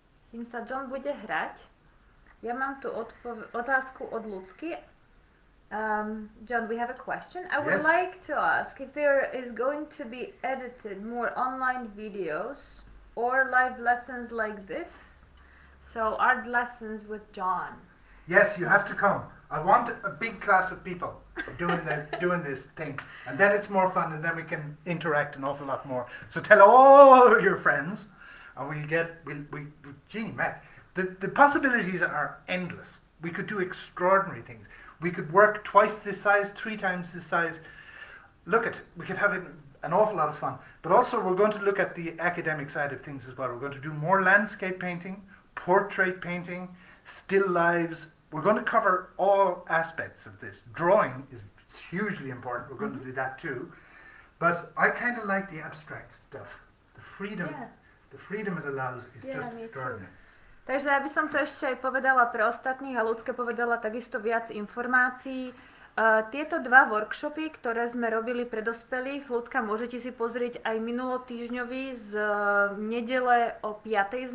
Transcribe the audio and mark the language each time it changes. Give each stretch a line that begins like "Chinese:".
Slovak: Kým sa John bude hrať, ja mám tu otázku od Lucky.
English: John, we have a question. I would like to ask if there is going to be edited more online videos or live lessons like this. So art lessons with John. Yes, you have to come. I want a big class of people doing the, doing this thing. And then it's more fun and then we can interact an awful lot more. So tell all your friends and we'll get, Matt, the possibilities are endless. We could do extraordinary things. We could work twice this size, three times this size. Look at, we could have an awful lot of fun. But also we're going to look at the academic side of things as well. We're going to do more landscape painting, portrait painting, still lives. We're going to cover all aspects of this. Drawing is hugely important. We're going to do that too. But I kind of like the abstract stuff. The freedom, the freedom it allows is just extraordinary. Too.
Slovak: Takže ja by som to ešte aj povedala pre ostatných a ľudské povedala takisto viac informácií. Tieto dva workshopy, ktoré sme robili pre dospelých, ľudská, môžete si pozrieť aj minulotýžňový z nedele o 5.